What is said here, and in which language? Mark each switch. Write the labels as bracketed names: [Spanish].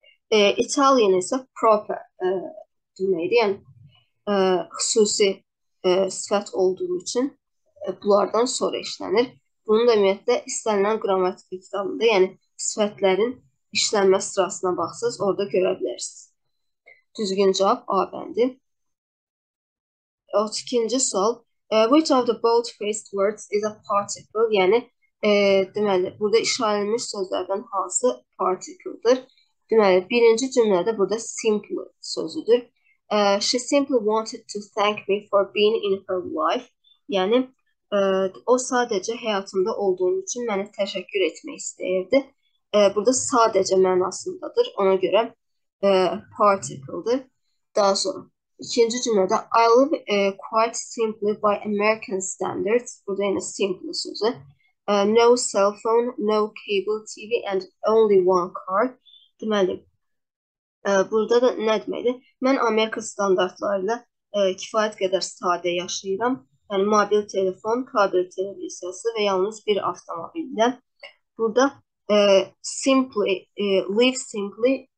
[Azerbaijani] Italian isə proper deməkdir, yəni xüsusi sifət olduğu üçün bunlardan sonra işlənir. Bunun da ümumiyyətlə istənilən qrammatik kitabında, yəni sifətlərin işlənmə sırasına baxsız, orada görə bilərsiniz. Düzgün cavab A bəndi. 32. sual. [English] Which of the bold-faced words is a particle? [Azerbaijani] Yəni, deməli, burada işarələnmiş sözlərdən hansı particle-dır? Deməli, birinci cümlədə burada simple sözüdür. [English] She simply wanted to thank me for being in her life. [Azerbaijani] Yəni, o sadəcə həyatımda olduğum üçün mənə təşəkkür etmək istəyirdi. Burada sadəcə mənasındadır. Ona görə particle-dır. Daha sonra. İkinci cümlədə [English] I live quite simply by American standards. [Azerbaijani] Burada yine simple sözü. [English] No cell phone, no cable TV and only one car. [Azerbaijani] Deməli, burada da nə deməkdir? Mən Amerika standartlarıyla kifayət qədər sadə yaşayıram. Yəni, mobil telefon, kabel televiziyası və yalnız bir avtomobillə. Burada live simply.